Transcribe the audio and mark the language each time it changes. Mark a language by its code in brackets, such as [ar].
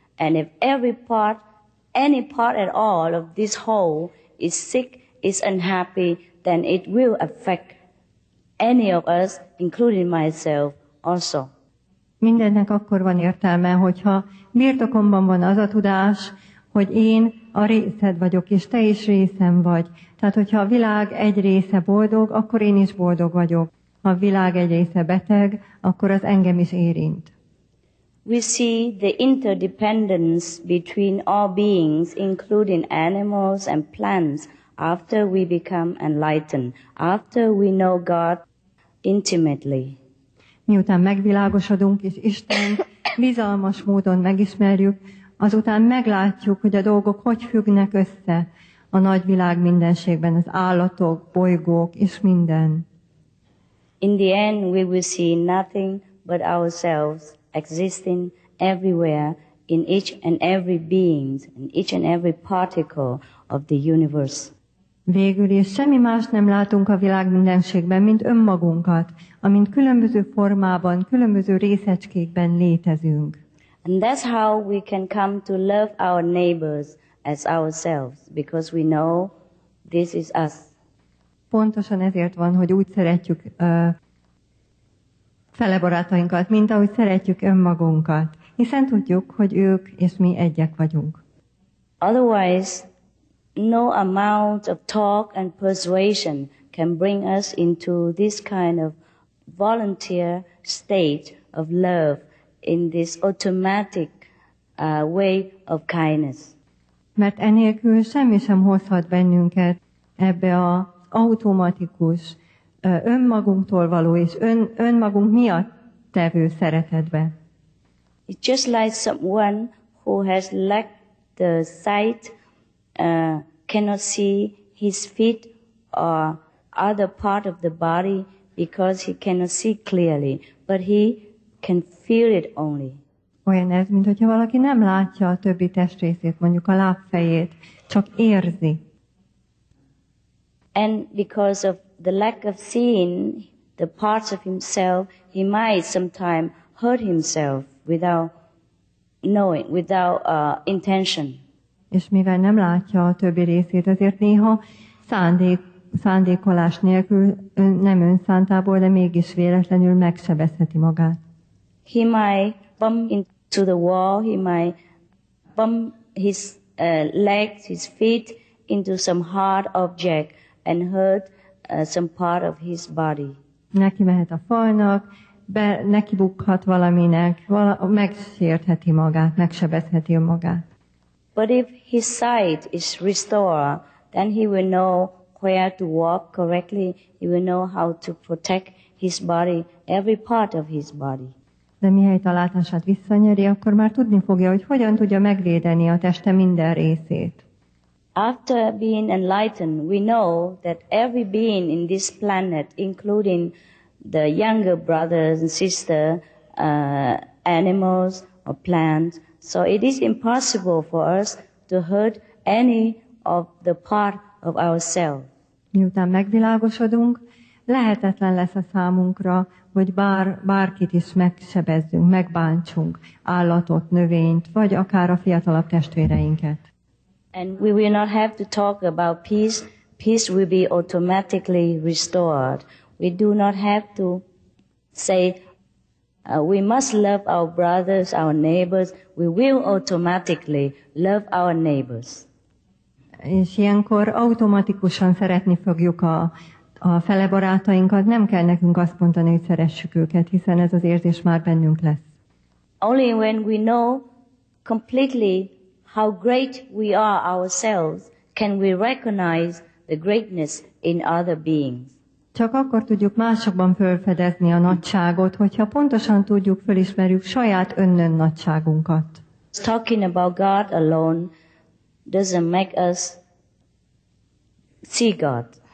[en] And if every part, any part at all of this whole is sick, is unhappy, then it will affect any of us, including myself, also. [hu] Mindennek akkor van értelme, hogyha birtokomban van az a tudás, hogy én a részed vagyok, és te is részem vagy. Tehát, hogyha a világ egy része boldog, akkor én is boldog vagyok. Ha a világ egy része beteg, akkor az engem is érint. [en] We see the interdependence between all beings, including animals and plants, after we become enlightened, after we know God intimately. [hu] Miután megvilágosodunk, és Isten bizalmas módon megismerjük, azután meglátjuk, hogy a dolgok hogy függnek össze a nagy világ mindenségben, az állatok, bolygók és minden. [en] In the end, we will see nothing but ourselves existing everywhere in each and every being, in each and every particle of the universe. [hu] Végül is semmi más nem látunk a világ mindenségben, mint önmagunkat, amint különböző formában, különböző részecskékben létezünk. [en] And that's how we can come to love our neighbors as ourselves, because we know this is us. [hu] Pontosan ezért van, hogy úgy szeretjük fele barátainkat, mint ahogy szeretjük önmagunkat, hiszen tudjuk, hogy ők és mi egyek vagyunk. [en] Otherwise, no amount of talk and persuasion can bring us into this kind of volunteer state of love, in this automatic way of kindness. [hu] Mert enélkül semmi sem hozhat bennünket ebbe az automatikus, önmagunktól való és önmagunk miatt tevő szeretetbe. [en] It's just like someone who has lacked the sight, cannot see his feet or other part of the body because he cannot see clearly, but he can feel it only. [hu] Olyan ez, mint hogyha valaki nem látja a többi testrészét, mondjuk a lábfejét, csak érzi. [en] And because of the lack of seeing the parts of himself, he might sometime hurt himself without knowing, without intention. [hu] És mivel nem látja a többi részét, azért néha szándékolás nélkül, nem önszántából, de mégis véletlenül megsebezheti magát. [en] He might bump into the wall, he might bump his legs, his feet into some hard object and hurt some part of his body. [hu] Neki mehet a falnak, neki bukhat valaminek, megsértheti magát, megsebezheti magát. [en] But if his sight is restored, then he will know where to walk correctly, he will know how to protect his body, every part of his body. [hu] De mihelyt a látását visszanyeri, akkor már tudni fogja, hogy hogyan tudja megvédeni a teste minden részét. [en] After being enlightened, we know that every being in this planet, including the younger brothers and sisters, animals or plants, so it is impossible for us to hurt any of the part of ourselves. [hu] Miután megvilágosodunk, lehetetlen lesz a számunkra, hogy bárkit is megsebezzünk, megbántsunk, állatot, növényt, vagy akár a fiatalabb testvéreinket. [en] And we will not have to talk about peace. Peace will be automatically restored. We do not have to say we must love our brothers, our neighbors. We will automatically love our neighbors. [hu] És ilyenkor automatikusan szeretni fogjuk a fele barátainkat, nem kell nekünk azt mondani, hogy szeressük őket, hiszen ez az érzés már bennünk lesz. [en] Only when we know completely how great we are ourselves, can we recognize the greatness in other beings. [hu] Csak akkor tudjuk másokban felfedezni a nagyságot, hogyha pontosan tudjuk, felismerjük saját önnön nagyságunkat. [en] Talking about God alone doesn't make us see God.